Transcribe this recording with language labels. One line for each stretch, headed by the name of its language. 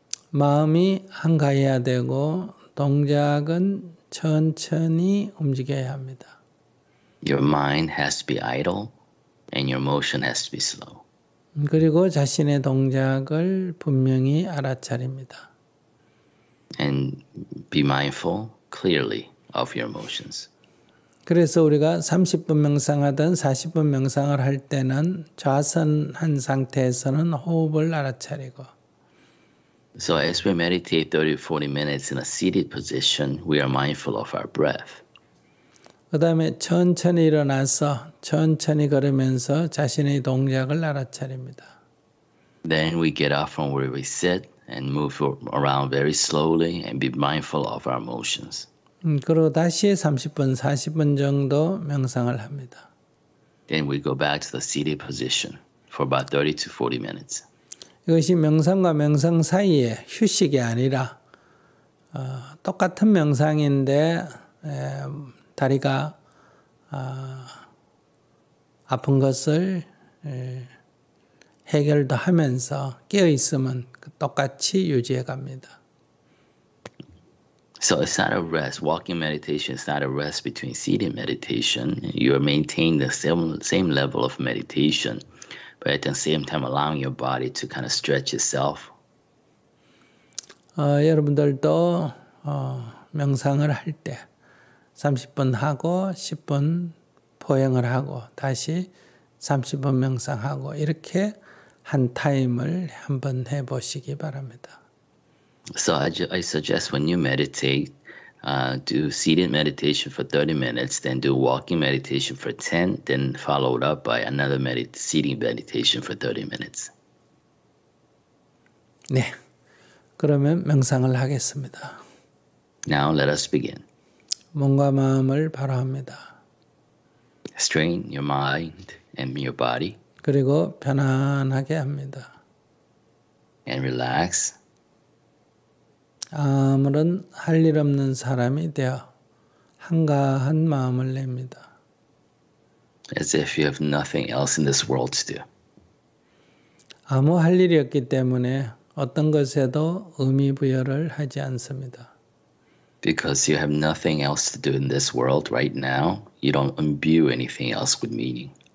Korean: 마음이 한가해야 되고 동작은 천천히 움직여야 합니다.
English: Your mind has to be idle, and your motion has to be slow.
Korean: 그리고 자신의 동작을 분명히 알아차립니다.
English: And be mindful clearly of your motions.
Korean: 그래서 우리가 30분 명상하든 40분 명상을 할 때는 좌선한 상태에서는 호흡을 알아차리고
English: So as we meditate 30, 40 minutes in a seated position, we are mindful of our breath.
Korean: 그 다음에 천천히 일어나서 천천히 걸으면서 자신의 동작을 알아차립니다.
English: Then we get up from where we sit and move around very slowly and be mindful of our motions.
Korean: 그리고 다시 30분, 40분 정도 명상을 합니다.
English: Then we go back to the seated position for about 30 to 40 minutes.
Korean: 이것이 명상과 명상 사이에 휴식이 아니라 똑같은 명상인데 다리가 아픈 것을 해결도 하면서 깨어 있으면 똑같이 유지해 갑니다.
English: So it's not a rest. Walking meditation is not a rest between seated meditation. You are maintaining the same level of meditation, but at the same time allowing your body to kind of stretch itself.
Korean: 여러분들도 명상을 할 때 30분 하고 10분 포행을 하고 다시 30분 명상하고 이렇게 한 타임을 한번 해보시기 바랍니다.
English: So I suggest when you meditate, do seated meditation for 30 minutes, then do walking meditation for 10, then followed up by another seated meditation for 30 minutes.
Korean: 네, 그러면 명상을 하겠습니다.
English: Now let us begin.
Korean: 몸과 마음을 바로합니다.
English: Strain your mind and your body.
Korean: 그리고 편안하게 합니다.
English: And relax.
Korean: 아무런 할 일 없는 사람이 되어 한가한 마음을 냅니다.
English: As if you have nothing else in this world to do.
Korean: 아무 할 일이 없기 때문에 어떤 것에도 의미 부여를 하지 않습니다.
English: Because you have nothing else to do in this world right now, you don't imbue anything else with meaning.